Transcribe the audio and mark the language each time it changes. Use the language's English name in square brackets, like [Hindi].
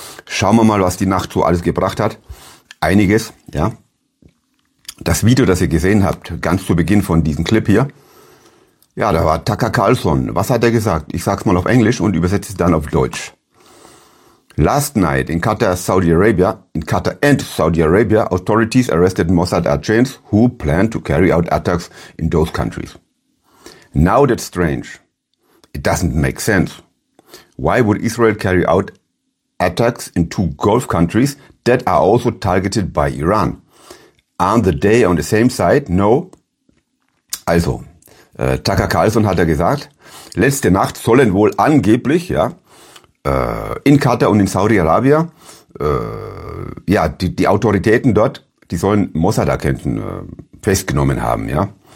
[German] Schauen wir mal, was die Nacht so alles gebracht hat. Einiges, ja. Das Video, das ihr gesehen habt, ganz zu Beginn von diesem Clip hier. Ja, da war Tucker Carlson. Was hat er gesagt? Ich sag's mal auf Englisch und übersetze es dann auf Deutsch. [English] Last night in Qatar, Saudi Arabia, in Qatar and Saudi Arabia, authorities arrested Mossad agents who planned to carry out attacks in those countries. Now that's strange. It doesn't make sense. Why would Israel carry out attacks in two Gulf countries that are also targeted by Iran? Aren't they on the same side? No. [German] Also, Tucker Carlson hat ja gesagt, letzte Nacht sollen wohl angeblich, ja, in Katar und in Saudi-Arabia, ja, die Autoritäten dort, die sollen Mossad-Agenten festgenommen haben, ja.